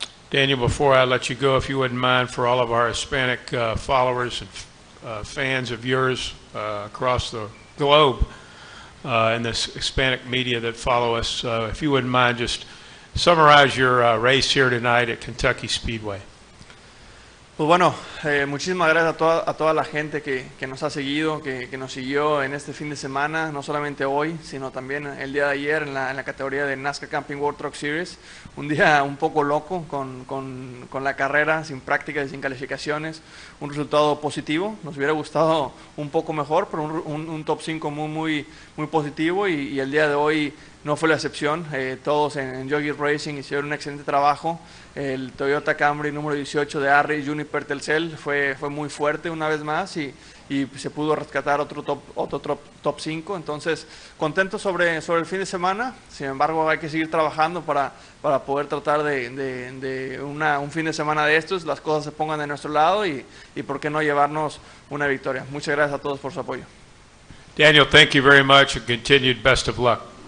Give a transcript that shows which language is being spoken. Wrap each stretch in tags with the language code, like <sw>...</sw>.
<en>Daniel, before I let you go, if you wouldn't mind, for all of our Hispanic followers and fans of yours across the globe and this Hispanic media that follow us, if you wouldn't mind, just summarize your race here tonight at Kentucky Speedway.</en> <es>Pues bueno, muchísimas gracias a toda la gente que nos ha seguido, que nos siguió en este fin de semana, no solamente hoy, sino también el día de ayer en la categoría de NASCAR Camping World Truck Series. Un día un poco loco con la carrera, sin prácticas y sin calificaciones. Un resultado positivo, nos hubiera gustado un poco mejor, pero un top 5 muy, muy, muy positivo, y el día de hoy no fue la excepción. Todos en Jockey Racing hicieron un excelente trabajo. El Toyota Camry número 18 de Harry Juniper Telcel fue muy fuerte una vez más, y se pudo rescatar otro top 5. Entonces, contento sobre el fin de semana. Sin embargo, hay que seguir trabajando para poder tratar de un fin de semana de estos, las cosas se pongan de nuestro lado y por qué no llevarnos una victoria. Muchas gracias a todos por su apoyo.</es> <en>Daniel, thank you very much, and continued best of luck.</en>